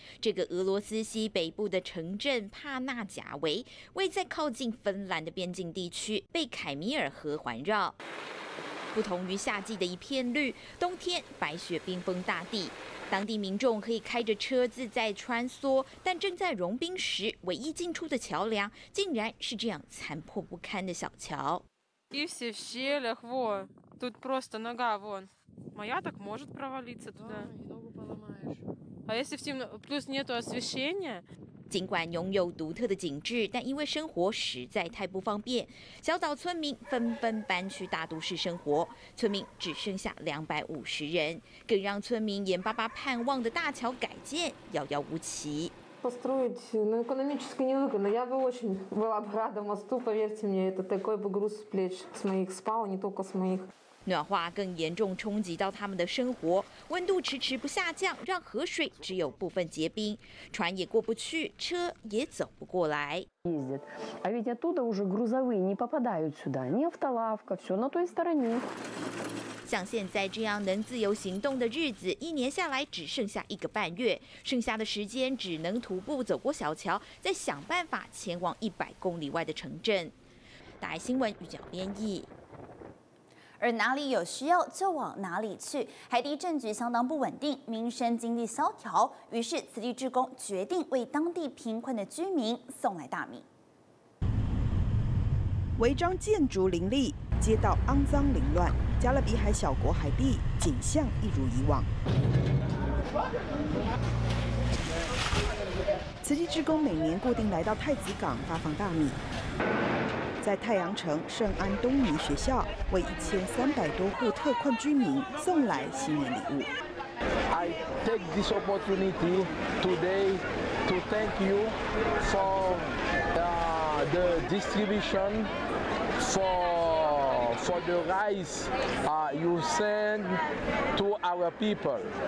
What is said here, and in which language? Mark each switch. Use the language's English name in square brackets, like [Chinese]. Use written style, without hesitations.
[Chinese] 这个俄罗斯西北部的城镇帕纳贾维，位在靠近芬兰的边境地区，被凯米尔河环绕。不同于夏季的一片绿，冬天白雪冰封大地，当地民众可以开着车自在穿梭，但正在融冰时，唯一进出的桥梁竟然是这样残破不堪的小桥。 [Russian] И все в щелях, во, тут просто нога, вон, моя так может провалиться туда. Да, и ногу поломаешь. А если в темно, плюс нету освещения. [Chinese] 尽管拥有独特的景致，但因为生活实在太不方便，小岛村民纷纷搬去大都市生活。村民只剩下250人，更让村民眼巴巴盼望的大桥改建遥遥无期。 [Russian] Построить на экономически невыгодно. Я бы очень была бы рада мосту, поверьте мне, это такой бы груз с плеч с моих спал, не только с моих. [Chinese] 暖化更严重冲击到他们的生活，温度迟迟不下降，让河水只有部分结冰，船也过不去，车也走不过来。 [Russian] Ездят, а ведь оттуда уже грузовые не попадают сюда, ни автолавка, все на той стороне. [Chinese] 像现在这样能自由行动的日子，一年下来只剩下1个半月，剩下的时间只能徒步走过小桥，再想办法前往100公里外的城镇。大爱新闻，余角编译。而哪里有需要就往哪里去。海地政局相当不稳定，民生经济萧条，于是慈济志工决定为当地贫困的居民送来大米。违章建筑林立，街道肮脏凌乱，加勒比海小国海地景象一如以往。慈济志工每年固定来到太子港发放大米，在太阳城圣安东尼学校为1300多户特困居民送来新年礼物。 [English] I take this opportunity today to thank you for the distribution for the rice you send to our people.